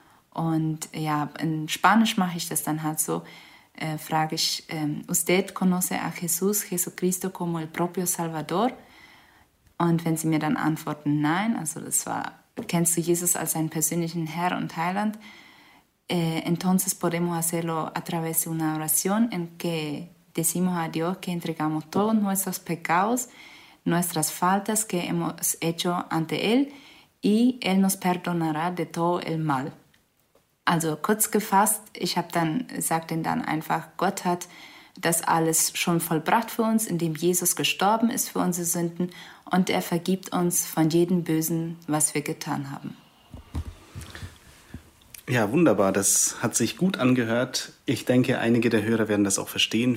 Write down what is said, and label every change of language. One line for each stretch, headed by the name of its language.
German: Und ja, in Spanisch mache ich das dann halt so, frage ich,
Spanish: usted conoce a Jesús, Jesucristo como el propio Salvador?
German: Und wenn sie mir dann antworten, nein, also das war, kennst du Jesus als seinen persönlichen Herr und Heiland?
Spanish: Entonces podemos hacerlo a través de una oración en que decimos a Dios que entregamos todos nuestros pecados, nuestras faltas que hemos hecho ante Él y Él nos perdonará de todo el mal.
German: Also kurz gefasst, ich habe dann, sagt ihn dann einfach, Gott hat das alles schon vollbracht für uns, indem Jesus gestorben ist für unsere Sünden und er vergibt uns von jedem Bösen, was wir getan haben. Ja, wunderbar, das hat sich gut angehört. Ich denke, einige der Hörer werden das auch verstehen.